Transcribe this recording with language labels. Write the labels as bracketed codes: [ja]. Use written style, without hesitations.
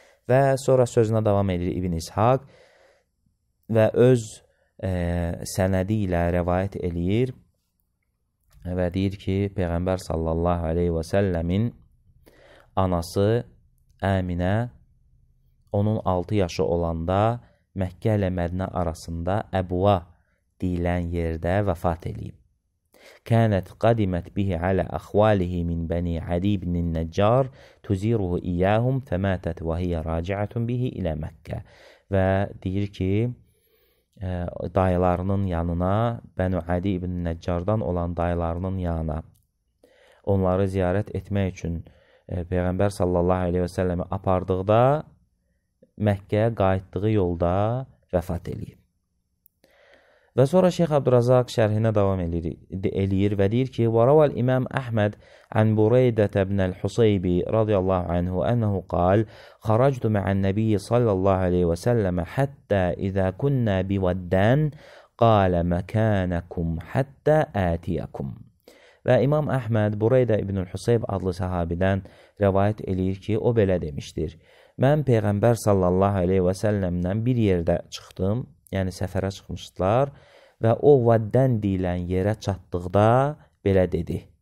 [az] Və sonra sözünə davam edir İbn İshaq və öz sənədi ilə rəvayət eləyir və deyir ki, Peyğəmbər sallallahu aleyhi və səlləmin anası Əminə onun 6 yaşı olanda Məkkə ilə Mədinə arasında Əbuva deyilən yerdə vəfat eləyib. [ar] كانت قدمت به على أخواله من بني عدي بن النجار تزيره إياهم فماتت وهي راجعة به إلى مكة. [az] Deyir ki, dayılarının yanına, Bənu Adi ibn Nəccardan olan dayılarının yanına onları ziyarət etmək üçün Peyğəmbər sallallahu aleyhi və səlləmi apardıqda Məkkəyə qayıtdığı yolda vəfat edir. Və sonra Şeyx Abdurazaq şərhinə davam edir və deyir ki, [ar] وَرَوَى الْإِمَامُ أَحْمَدُ عَنْ بُرَيْدَةَ بْنَ الْحُصَيْبِ رَضِيَ اللَّهُ عَنْهُ أَنَّهُ قَالَ خَرَجْتُ مَعَ النَّبِيِّ صَلَّى اللَّهُ عَلَيْهِ وَسَلَّمَ حَتَّى إِذَا كُنَّا بِوَدَّنْ قَالَ مَكَانَكُمْ حَتَّى آتِيَكُمْ. [az] Və İmam Əhməd Bureydə ibn-ül Hüseyb adlı sahabidən rəvayət edir ki, o belə demişdir. Mən Peyğəmbər sallallahu aleyhi və səlləmdən bir yerdə çıxdım, yəni səfərə çıxmışdılar və o vəddən deyilən yerə çatdıqda belə dedi.